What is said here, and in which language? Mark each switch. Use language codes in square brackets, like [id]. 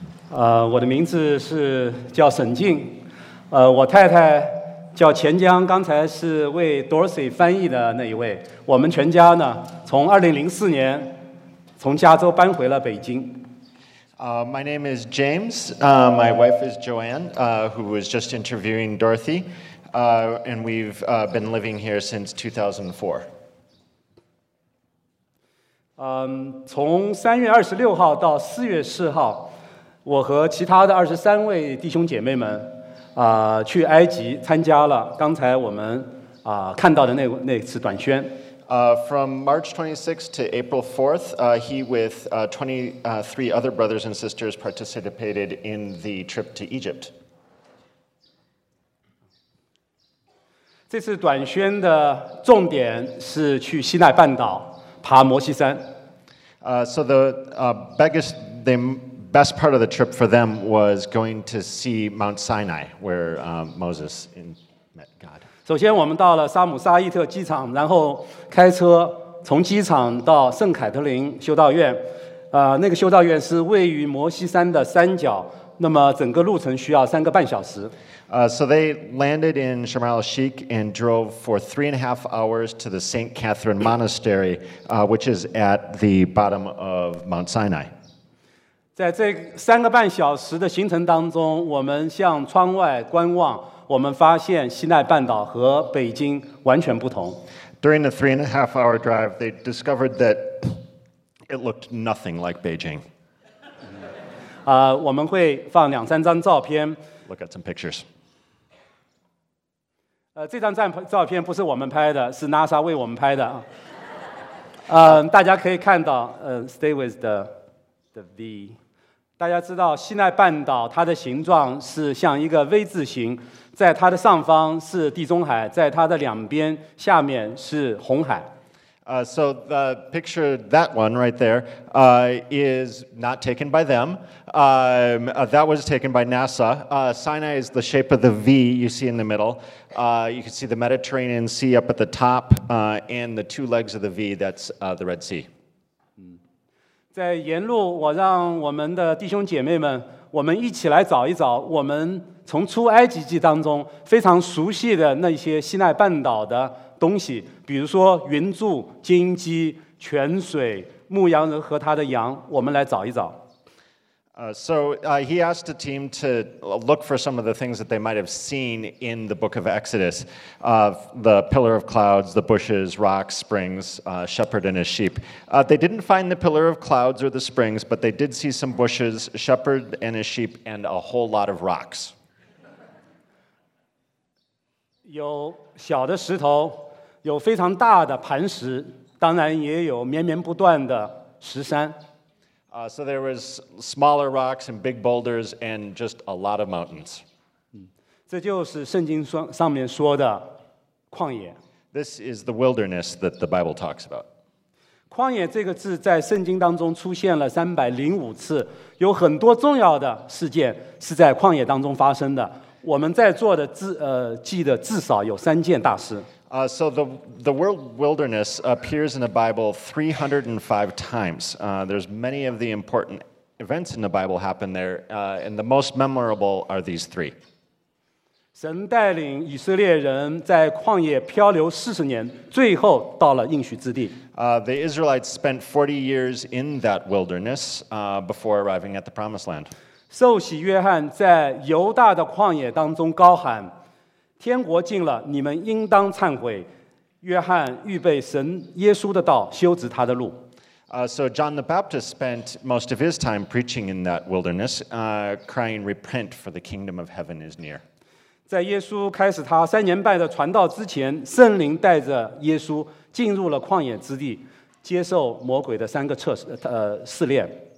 [zh] 我的名字是叫沈静，我太太叫钱江，刚才是为 Dorsey 翻译的那一位。我们全家呢，从2004年从加州搬回了北京。 [en] My name is James. My wife is Joanne, who was just interviewing Dorothy. And we've been living here since 2004. [zh] 从3月26号到4月4号，我和其他的23位弟兄姐妹们去埃及参加了刚才我们看到的那次短宣。 [en] From March 26th to April 4th, he with 23 other brothers and sisters participated in the trip to Egypt. [zh] 这次短宣的重点是去西奈半岛爬摩西山。 [en] So the best part of the trip for them was going to see Mount Sinai, where Moses met God. [zh] 首先我们到了沙姆沙伊特机场，然后开车从机场到圣凯特琳修道院。那个修道院是位于摩西山的山脚，那么整个路程需要3.5小时。 [en] So they landed in Sharm el-Sheikh and drove for 3.5 hours to the St. Catherine Monastery, which is at the bottom of Mount Sinai. [zh] 在这3.5小时的行程当中，我们向窗外观望，我们发现西奈半岛和北京完全不同。 [en] During the 3.5 hour drive, they discovered that it looked nothing like Beijing. [zh] 我们会放2-3张照片。 [en] Look at some pictures. [zh] 这张照片不是我们拍的，是 NASA 为我们拍的。大家可以看到， [en] stay with the V. [zh] 大家知道西奈半岛它的形状是像一个 V 字形，在它的上方是地中海，在它的两边下面是红海。 [en] So the picture, that one right there, is not taken by them. That was taken by NASA. Sinai is the shape of the V you see in the middle. You can see the Mediterranean Sea up at the top, and the two legs of the V, that's the Red Sea. [zh] 在沿路，我让我们的弟兄姐妹们，我们一起来找一找我们从出埃及记当中非常熟悉的那些西奈半岛的东西，比如说云柱、荆棘、泉水、牧羊人和他的羊，我们来找一找。 [en] He asked the team to look for some of the things that they might have seen in the book of Exodus, the pillar of clouds, the bushes, rocks, springs, shepherd and his sheep. They didn't find the pillar of clouds or the springs, but they did see some bushes, shepherd and his sheep, and a whole lot of rocks. [zh] 有小的石头，有非常大的磐石，当然也有绵绵不断的石山。 [en] So there was smaller rocks and big boulders and just a lot of mountains. [zh] 这就是圣经上面说的旷野。 [en] This is the wilderness that the Bible talks about. [zh] 旷野这个字在圣经当中出现了305次，有很多重要的事件是在旷野当中发生的。我们在座的记得至少有3件大事。 [en] So the word wilderness appears in the Bible 305 times. There's many of the important events in the Bible happen there, and the most memorable are these three. [zh] 神带领以色列人在旷野漂流40年，最后到了应许之地。 [en] The Israelites spent 40 years in that wilderness before arriving at the Promised Land. [zh] 受洗约翰在犹大的旷野当中高喊，天国近了，你们应当忏悔。约翰预备神耶稣的道，修直他的路。 [en] So John the Baptist spent most of his time preaching in that wilderness, crying, "Repent, for the kingdom of heaven is near." [zh] 在耶稣开始他3.5年的传道之前，圣灵带着耶稣进入了旷野之地，接受魔鬼的试炼。